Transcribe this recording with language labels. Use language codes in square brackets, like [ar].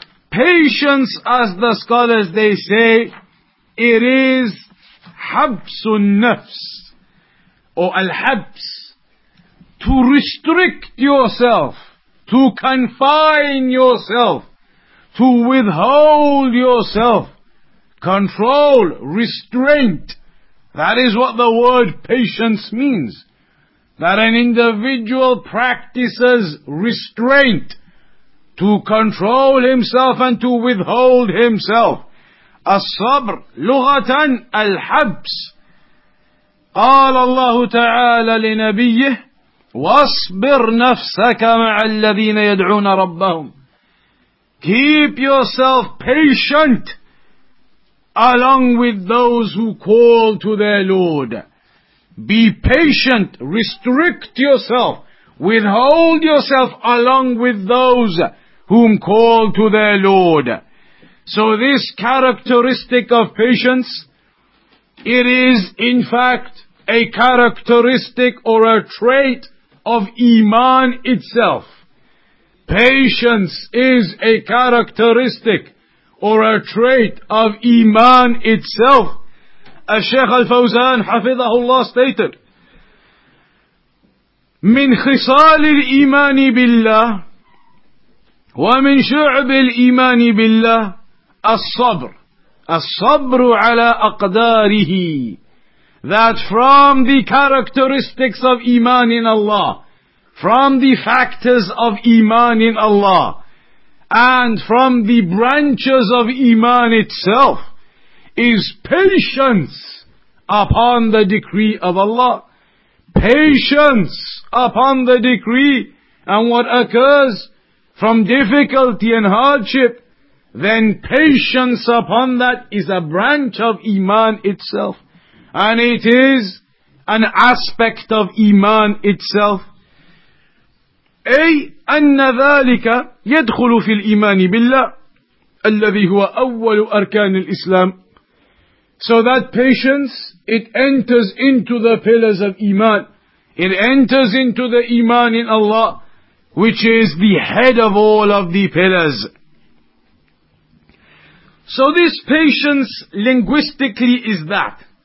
[en] Patience, as the scholars they say, it is habsun nafs, or al-habs, to restrict yourself, to confine yourself, to withhold yourself, control, restraint. That is what the word patience means. That an individual practices restraint, to control himself and to withhold himself. [ar] As-sabr, lughatan al-habs. قال الله تعالى لنبيه واصبر نفسك مع الذين يدعون ربهم. [en] Keep yourself patient along with those who call to their Lord. Be patient, restrict yourself, withhold yourself along with those whom call to their Lord. So this characteristic of patience, it is in fact a characteristic or a trait of Iman itself. Patience is a characteristic or a trait of Iman itself. As Shaykh Al-Fawzan, Hafidhahullah, stated, [ar] من خصال الإيمان بالله ومن شعب الإيمان بالله الصبر. الصبر على أقداره. [en] That from the characteristics of Iman in Allah, from the factors of Iman in Allah, and from the branches of Iman itself, is patience upon the decree of Allah. Patience upon the decree, and what occurs from difficulty and hardship, then patience upon that is a branch of Iman itself. And it is an aspect of Iman itself. [ar] أي أن ذلك يدخل في الإيمان بالله الذي هو أول أركان الإسلام. [en] So that patience, it enters into the pillars of Iman. It enters into the Iman in Allah, which is the head of all of the pillars. So this patience linguistically is that.